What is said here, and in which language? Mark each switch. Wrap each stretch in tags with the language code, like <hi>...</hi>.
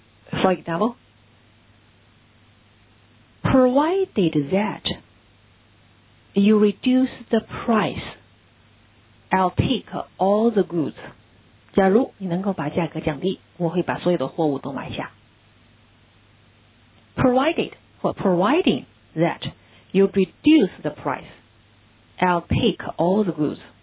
<en>For example， provided that you reduce the priceI'll take all the goods.</en> <zh>假如你能够把价格降低，我会把所有的货物都买下。</zh> <en>Provided</en> <zh>或</zh> <en>providing that you reduce the price, I'll take all the goods.</en>